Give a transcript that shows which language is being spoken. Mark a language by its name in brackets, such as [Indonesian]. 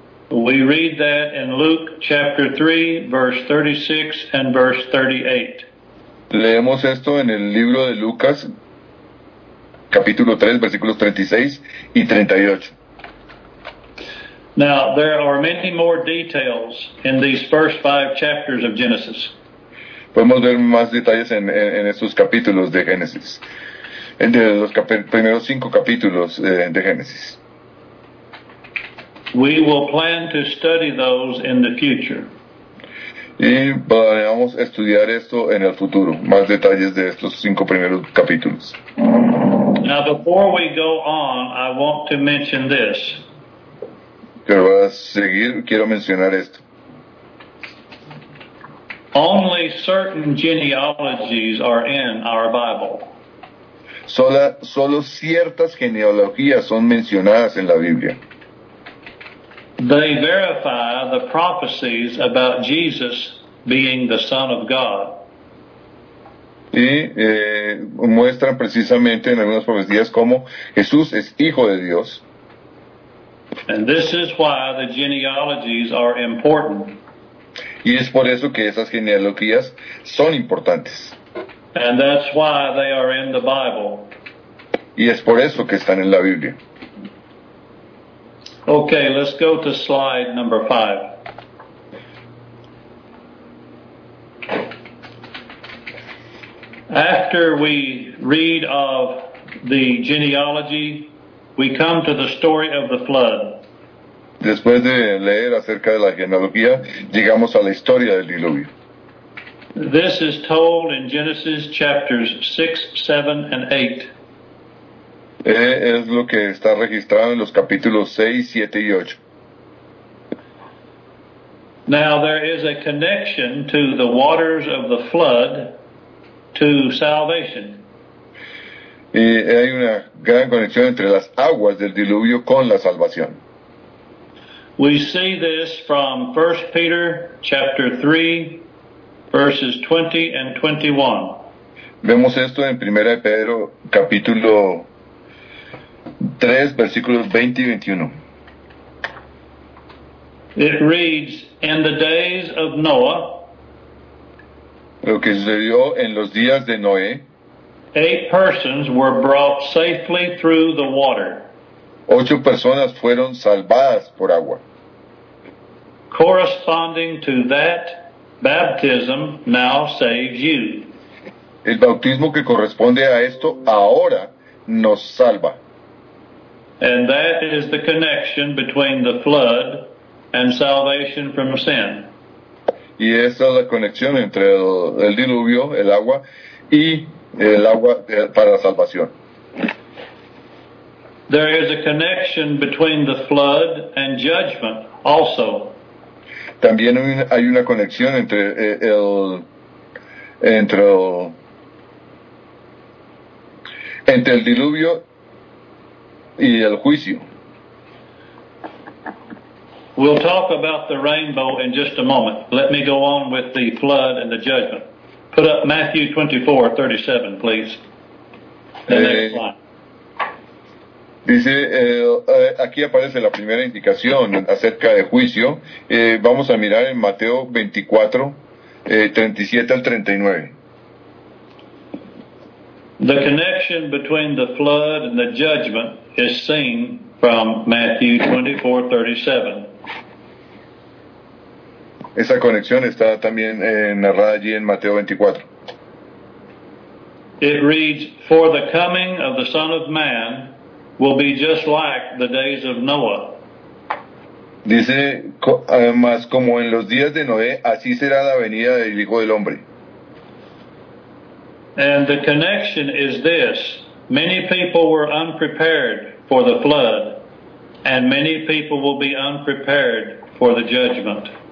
[English] We read that in Luke chapter 3, verse 36 and verse 38. [Spanish] Leemos esto en el libro de Lucas, capítulo 3, versículos 36 y 38. [English] Now, there are many more details in these first 5 chapters of Genesis. [Spanish] Podemos ver más detalles en estos capítulos de Génesis. Entre los primeros 5 capítulos de Génesis. [English] We will plan to study those in the future. [Spanish] Y vamos a estudiar esto en el futuro, más detalles de estos 5 primeros capítulos. [English] Now before we go on, I want to mention this. [Spanish] Pero voy a seguir, quiero mencionar esto. [English] Only certain genealogies are in our Bible. [Spanish] Solo ciertas genealogías son mencionadas en la Biblia. [English] They verify the prophecies about Jesus being the Son of God. [Spanish] Y muestran precisamente en algunas profecías cómo Jesús es hijo de Dios. [English] And this is why the genealogies are important. [Spanish] Y es por eso que esas genealogías son importantes. [English] And that's why they are in the Bible. [Spanish] Y es por eso que están en la Biblia. [English] Okay, let's go to slide number 5. After we read of the genealogy, we come to the story of the flood. [Spanish] Después de leer acerca de la genealogía, llegamos a la historia del diluvio. [English] This is told in Genesis chapters 6, 7, and 8. [Spanish] Es lo que está registrado en los capítulos 6, 7 y 8. [English] Now, there is a connection to the waters of the flood to salvation. [Spanish] Y hay una gran conexión entre las aguas del diluvio con la salvación. [English] We see this from 1 Peter chapter 3, verses 20 and 21. [Spanish] Vemos esto en 1 Pedro capítulo 3, versículos 20 y 21. [English] It reads, in the days of Noah, [Spanish] lo que sucedió en los días de Noé, [English] 8 persons were brought safely through the water. [Spanish] 8 personas fueron salvadas por agua. [English] Corresponding to that, baptism now saves you. [Spanish] El bautismo que corresponde a esto ahora nos salva. [English] And that is the connection between the flood and salvation from sin. [Spanish] Y esa es la conexión entre el diluvio, el agua, y el agua para salvación. [English] There is a connection between the flood and judgment also. [Spanish] También hay una conexión entre el diluvio y el juicio. [English] We'll talk about the rainbow in just a moment. Let me go on with the flood and the judgment. Put up Matthew 24:37, please. The next slide. [Spanish] Dice, aquí aparece la primera indicación acerca de juicio. Vamos a mirar en Mateo 24, 37 al 39. [English] The connection between the flood and the judgment is seen from Matthew 24:37. [Spanish] Esa conexión está también narrada allí en Mateo 24. [English] It reads, for the coming of the Son of Man will be just like the days of Noah. [Spanish] Dice, además, como en los días de Noé, así será la venida del Hijo del Hombre. [English] And the connection is this. Many people were unprepared for the flood, and many people will be unprepared for the judgment.